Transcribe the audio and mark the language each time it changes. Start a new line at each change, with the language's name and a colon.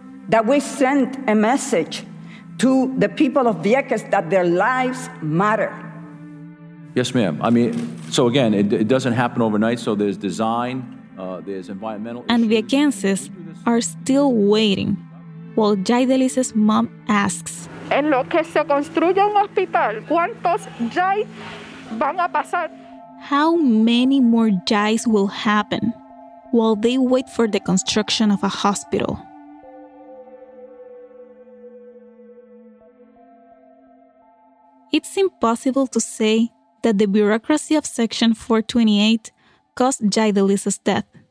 English: That we sent a message to the people of Vieques that their lives matter. Yes, ma'am. I mean, so again, it doesn't happen overnight. So there's design, there's environmental issues. And Viequenses are still waiting while Jaidelis's mom asks.
Spanish: En lo que se construye un hospital, ¿cuántos Jai van a pasar?
English: How many more Jais will happen while they wait for the construction of a hospital? It's impossible to say that the bureaucracy of Section 428 caused Jaidelis's death.